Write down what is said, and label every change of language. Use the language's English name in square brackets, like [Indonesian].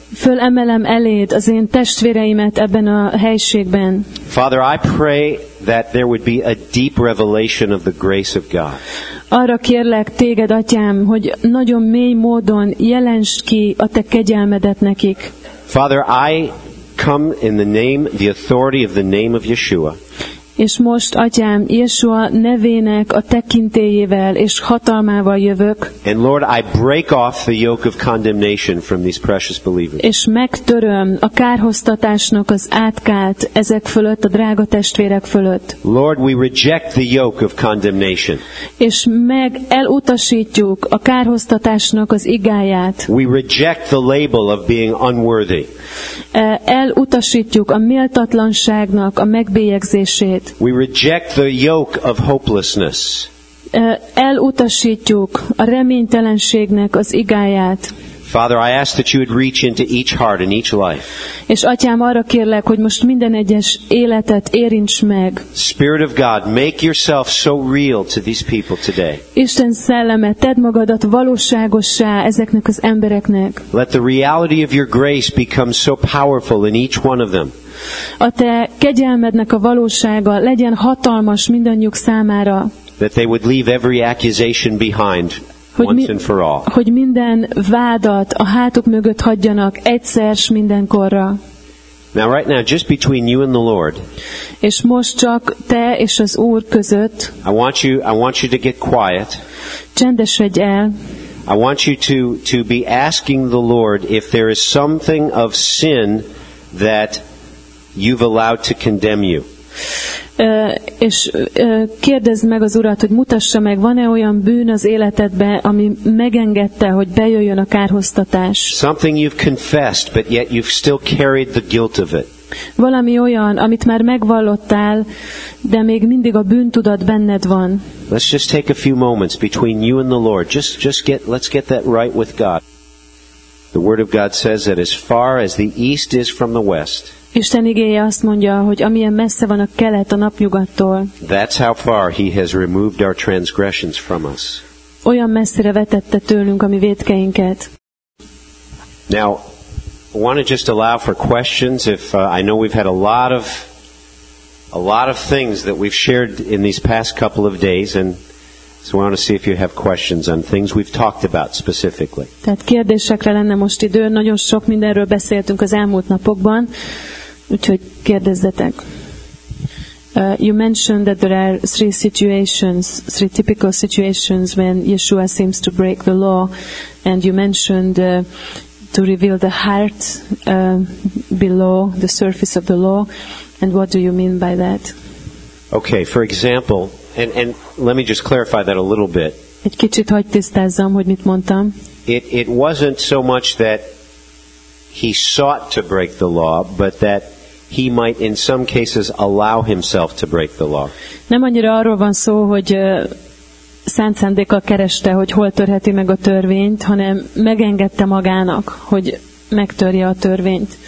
[Hungarian] Fölemelem eléd az én testvéreimet ebben a helységben. [English] Father, I pray that there would be a deep revelation of the grace of God. [Hungarian] Arra kérlek téged, Atyám, hogy nagyon mély módon jelensd ki a te kegyelmedet nekik. [English] Father, I come in the name, the authority of the name of Yeshua. [Hungarian] És most, Atyám, Yeshua nevének a tekintélyével és hatalmával jövök. [English] And Lord, I break off the yoke of condemnation from these precious believers. [Hungarian] És megtöröm a kárhoztatásnak az átkát ezek fölött, a drága testvérek fölött. [English] Lord, we reject the yoke of condemnation. [Hungarian] És meg elutasítjuk a kárhoztatásnak az igáját. [English] We reject the label of being unworthy. [Hungarian] Elutasítjuk a méltatlanságnak a megbélyegzését. [English] We reject the yoke of hopelessness. [Hungarian] Elutasítjuk a reménytelenségnek az igáját. [English] Father, I ask that you would reach into each heart and each life. [Hungarian] És Atyám, arra kérlek, hogy most minden egyes életet érints meg. [English] Spirit of God, make yourself so real to these people today. [Hungarian] Isten szelleme, tedd magadat valóságossá ezeknek az embereknek. [English] Let the reality of your grace become so powerful in each one of them. [Hungarian] A te kegyelmednek a valósága legyen hatalmas mindannyiuk számára. [English] That they would leave every accusation behind. [Hungarian] Hogy minden vádat a hátuk mögött hagyjanak egyszer s mindenkorra. [English] Now right now just between you and the Lord. [Hungarian] És most csak te és az Úr között. [English] I want you to get quiet. [Hungarian] Csendesedj el. [English] I want you to be asking the Lord if there is something of sin that you've allowed to condemn you. [Hungarian] És kérdezd meg az Urat, hogy mutassa meg, van-e olyan bűn az életedbe, ami megengedte, hogy bejöjjön a kárhoztatás. [English] Something you've confessed, but yet you've still carried the guilt of it. [Hungarian] Valami olyan, amit már megvallottál, de még mindig a bűntudat benned van. [English] Let's just take a few moments between you and the Lord. Let's get that right with God. The Word of God says that as far as the east is from the west. [Hungarian] Isten igéje azt mondja, hogy amilyen messze van a kelet a napnyugattól. [English] That's how far he has removed our transgressions from us. [Hungarian] Olyan messzire vetette tőlünk a mi vétkeinket. [English] Now, I want to just allow for questions if I know we've had a lot of things that we've shared in these past couple of days, and so I want to see if you have questions on things we've talked about specifically. [Hungarian] Tehát kérdésekre lenne most idő, nagyon sok mindenről beszéltünk az elmúlt napokban. Úgyhogy kérdezzetek. [English] You mentioned that there are three typical situations when Yeshua seems to break the law, and you mentioned to reveal the heart below the surface of the law. And what do you mean by that? Okay, for example, and let me just clarify that a little bit. [Hungarian] Egy kicsit hogy tisztázzam, hogy mit mondtam. [English] It wasn't so much that he sought to break the law, but that he might in some cases allow himself to break the law. [Hungarian] Nem annyira arról van szó, hogy szánt szándékkal kereste, hogy hol törheti meg a törvényt, hanem megengedte magának, hogy megtörje a törvényt.